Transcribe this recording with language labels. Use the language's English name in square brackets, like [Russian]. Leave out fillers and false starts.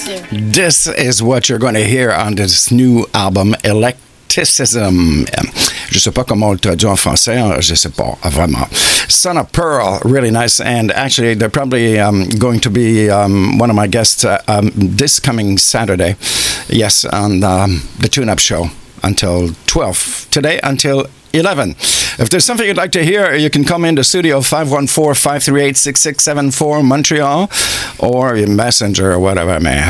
[English] This is what you're going to hear on this new album, Electricism. [French] Je sais pas comment on le traduit en français, je sais pas vraiment. [English] Son of Pearl, really nice. And actually, they're probably going to be one of my guests this coming Saturday. Yes, on the Tune-Up Show until 12. Today, until 11. If there's something you'd like to hear, you can come in the studio 514-538-6674 Montreal or your messenger or whatever, man.